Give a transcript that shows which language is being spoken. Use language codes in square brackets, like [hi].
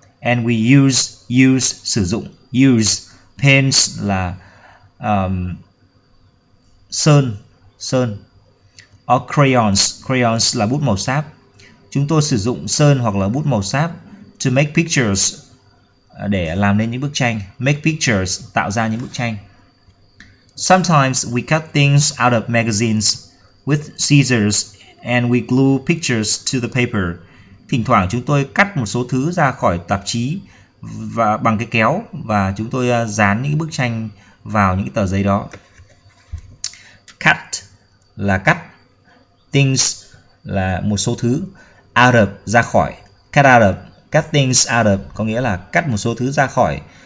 [en] And we use [vi] sử dụng. [en] Use pens [vi] là sơn. [en] Or crayons [vi] là bút màu sáp. Chúng tôi sử dụng sơn hoặc là bút màu sáp [en] to make pictures, [vi] để làm nên những bức tranh. [en] Make pictures, [vi] tạo ra những bức tranh. [en] Sometimes we cut things out of magazines with scissors and we glue pictures to the paper. [vi] Thỉnh thoảng chúng tôi cắt một số thứ ra khỏi tạp chí và bằng cái kéo, và chúng tôi dán những bức tranh vào những tờ giấy đó. [en] Cut [vi] là cắt. [en] Things [vi] là một số thứ. [en] Out of, [vi] ra khỏi. [en] Cut out of, cut things out of, [vi] có nghĩa là cắt một số thứ ra khỏi.